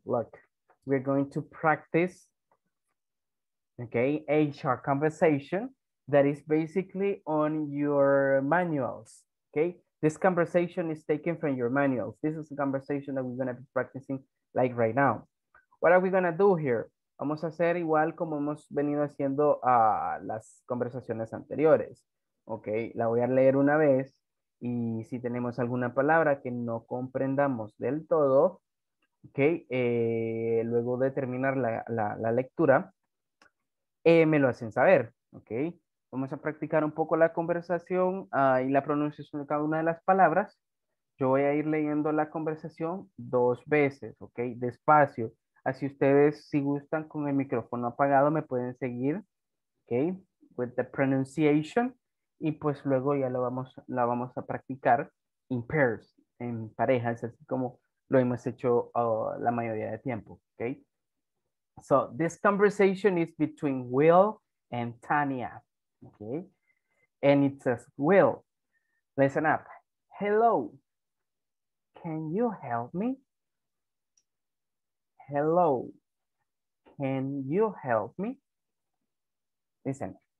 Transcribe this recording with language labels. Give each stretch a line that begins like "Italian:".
English: Look, we're going to practice, okay, HR conversation that is basically on your manuals, okay? This conversation is taken from your manuals. This is a conversation that we're going to be practicing like right now. What are we going to do here?
Spanish: Vamos a hacer igual como hemos venido haciendo las conversaciones anteriores, okay? La voy a leer una vez. Y si tenemos alguna palabra que no comprendamos del todo, okay, luego de terminar la lectura, me lo hacen saber. Okay. Vamos a practicar un poco la conversación y la pronunciación de cada una de las palabras. Yo voy a ir leyendo la conversación dos veces, okay, despacio. Así ustedes, si gustan, con el micrófono apagado, me pueden seguir, okay,
English: with the pronunciation.
Spanish: Y pues luego ya la vamos a practicar
English: in pairs,
Spanish: en parejas, así como lo hemos hecho la mayoría de tiempo, okay?
English: So, this conversation is between Will and Tania, okay? And it says, Will, listen up. Hello, can you help me? Hello, can you help me? Listen.